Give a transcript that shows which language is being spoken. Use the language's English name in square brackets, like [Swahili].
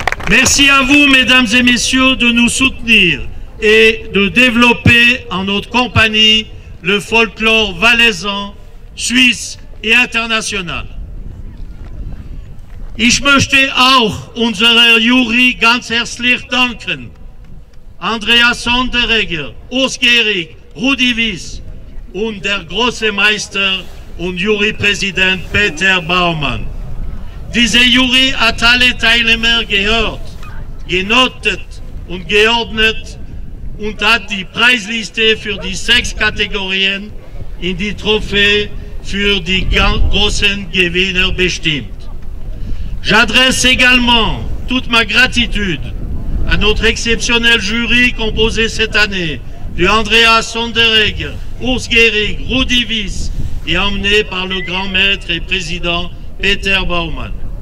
[French] Merci à vous, mesdames et messieurs, de nous soutenir et de développer en notre compagnie le folklore valaisan, suisse et international. [German] Ich möchte auch unserer Jury ganz herzlich danken. Andreas Sonderegger, Urs Gehrig, Rudi Wies und der große Meister und Jurypräsident Peter Baumann. Diese Jury hat alle Teilnehmer gehört, genotet und geordnet und hat die Preisliste für die 6 Kategorien in die Trophäe für die großen Gewinner bestimmt. [French] J'adresse également toute ma gratitude à notre exceptionnel jury composé cette année de Andreas Sonderegger, Urs Gehrig, Rudi Wies et emmené par le grand maître et président Peter Baumann.